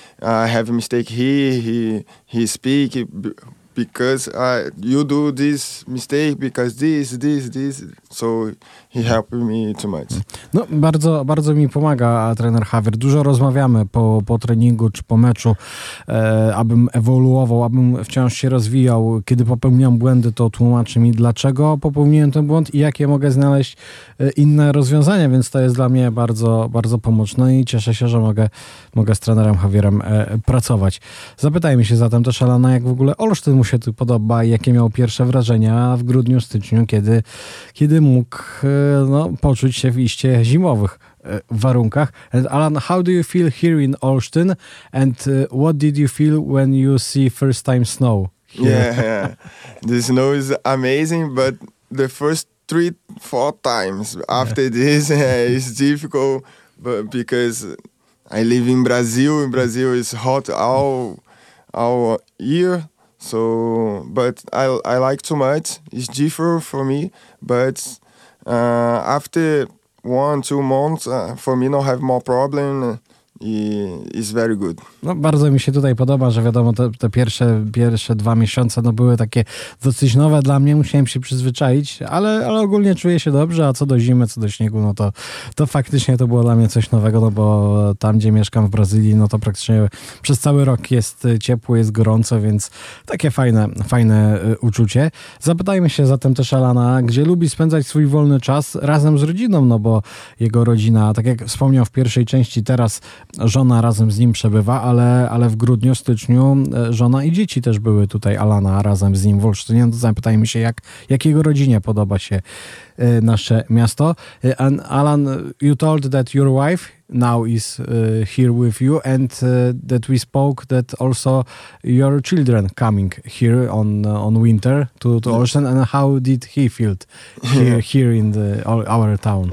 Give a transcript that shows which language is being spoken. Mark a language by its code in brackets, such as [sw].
[en] I have a mistake here. He speak because you do this mistake because this. So he helped me too much. [pl] No bardzo mi pomaga trener Javier. Dużo rozmawiamy po treningu czy po meczu, abym ewoluował, abym wciąż się rozwijał. Kiedy popełniam błędy, to tłumaczy mi, dlaczego popełniłem ten błąd i jakie mogę znaleźć inne rozwiązania, więc to jest dla mnie bardzo, bardzo pomocne i cieszę się, że mogę z trenerem Javierem pracować. Zapytajmy się zatem też Alana, jak w ogóle Olsztyn mu się tu podoba i jakie miał pierwsze wrażenia w grudniu, styczniu, kiedy mógł poczuć się w iście zimowych warunkach. [en] And Alan, how do you feel here in Olsztyn? And what did you feel when you see first time snow here? Yeah, the snow is amazing, but the first 3-4 times after this. It's difficult, but because I live in Brazil. In Brazil, it's hot all year. So, but I like too much. It's different for me. But after 1-2 months, for me, no have more problem. Is very good. [pl] No, bardzo mi się tutaj podoba, że wiadomo, te pierwsze 2 miesiące no, były takie dosyć nowe dla mnie, musiałem się przyzwyczaić, ale ogólnie czuję się dobrze, a co do zimy, co do śniegu, no to faktycznie to było dla mnie coś nowego, no bo tam, gdzie mieszkam w Brazylii, no to praktycznie przez cały rok jest ciepło, jest gorąco, więc takie fajne uczucie. Zapytajmy się zatem też Alana, gdzie lubi spędzać swój wolny czas razem z rodziną, no bo jego rodzina, tak jak wspomniał w pierwszej części, teraz żona razem z nim przebywa, ale w grudniu, styczniu żona i dzieci też były tutaj, Alana, razem z nim w Olsztynie. No to zapytajmy się, jak jego rodzinie podoba się nasze miasto. [en] And Alan, you told that your wife now is here with you and that we spoke that also your children coming here on winter to Olsztyn. And how did he feel here in our town?